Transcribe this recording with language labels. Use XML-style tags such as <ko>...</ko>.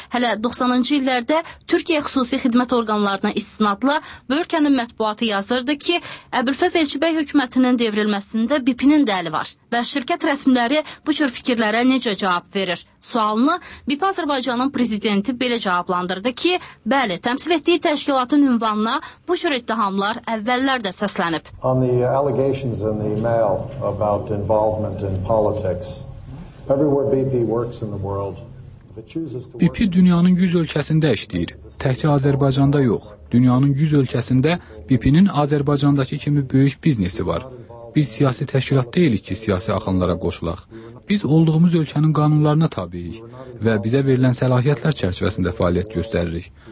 <az>Hələ 90-cı illərdə Türkiyə xüsusi xidmət orqanlarına istinadla bu ölkənin mətbuatı yazırdı ki, Əbülfəz Elçibəy hökumətinin devrilməsi BP-nin də əli var və şirkət rəsmiləri bu cür fikirlərə necə cavab verir? Sualını BP Azərbaycanın prezidenti belə cavablandırdı ki, bəli, təmsil etdiyi təşkilatın ünvanına bu cür ittihamlar əvvəllər də səslənib.</az> <en>On the allegations in the mail about involvement in politics, everywhere BP works in the world.</en> <az>BP dünyanın 100 ölkəsində işləyir, təkcə Azərbaycanda yox. Dünyanın 100 ölkəsində BP-nin Azərbaycandakı kimi böyük biznesi var. Biz siyasi təşkilat deyilik ki, siyasi axınlara qoşulaq. Biz olduğumuz ölkənin qanunlarına tabiyik və bizə verilən səlahiyyətlər çərçivəsində fəaliyyət göstəririk.</az>